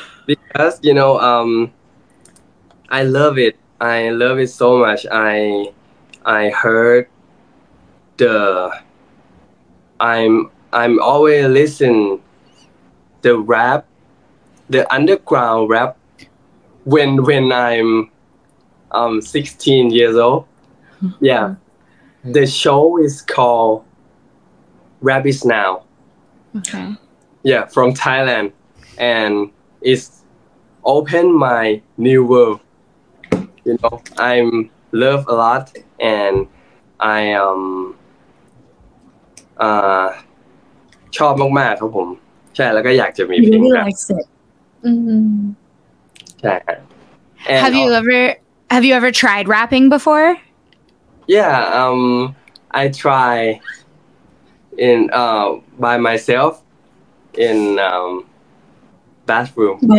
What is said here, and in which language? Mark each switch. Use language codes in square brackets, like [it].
[en] because you know I love it so much I heard the I'm always listen the rap the underground rap when I'm 16 years old. Yeah. The show is called Rabbits Now. Okay. Yeah, from Thailand. And it's opened my new world. You know, I'm love a lot and I am [th] ชอบมากๆครับผมใช่แล้วก็อยากจะมีเพลงครับ [en] Really likes it. Mm-hmm. Yeah. Have you ever tried rapping before? Yeah, I try in by myself in bathroom.